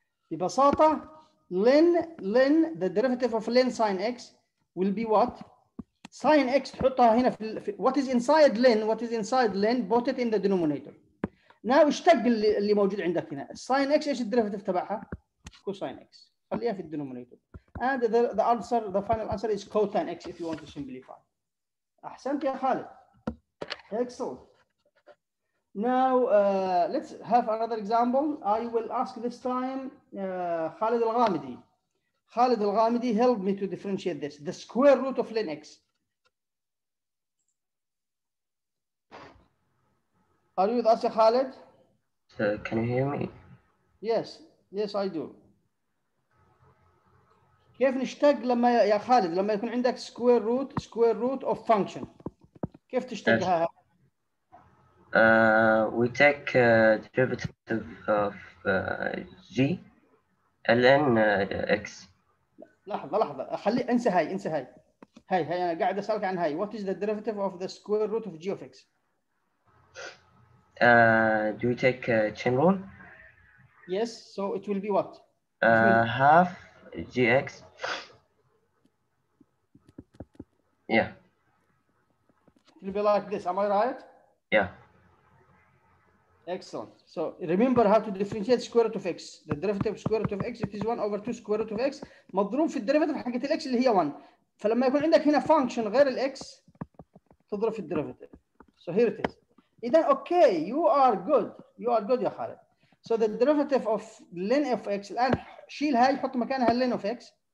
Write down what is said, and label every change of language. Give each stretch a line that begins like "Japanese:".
Arabic: ببساطة
English: ln the derivative of ln sin x will be what? Sin x
Arabic: تحطها هنا في
English: what is inside ln, what is inside ln, put it in the denominator.
Arabic: Now, اشتق اللي موجود عندك هنا. Sin x ايش الدرفتف تبعها؟ كوسين x. خليها في الدنومينيتور.
English: And the answer, the final answer is cotan x if you want to simplify.
Arabic: أحسنت يا خالد.
English: Excellent. Now, let's have another example. I will ask this time خالد الغامدي. خالد الغامدي, help me to differentiate this. The square root of ln x. Are you with us, Khaled? So, can you hear me? Yes. Yes, I do.
Arabic: كيف نشتق لما يا خالد لما يكون عندك
English: square root of function.
Arabic: كيف تشتقها؟
English: We take derivative of g ln x.
Arabic: لحظة لحظة. خلي انسى هاي انسى هاي. هاي هاي أنا قاعد أسألك عن هاي.
English: What is the derivative of the square root of g of x? Do we take a chain rule? Yes, so it will be what? Half gx. Yeah. It will be like this, am I right? Yeah. Excellent. So remember how to differentiate square root of x. The derivative of square root of x, it is 1 over 2 square root of x.
Arabic: مضروب في الderivative حقت الx اللي هي 1. فلما يكون عندك هنا function غير الx, تضرب في الderivative.
English: So here it is. Then okay, you are good. You are good,
Arabic: يا خالد.
English: So the derivative of ln of x.
Arabic: الآن شيل هاي حط مكانها ln of x.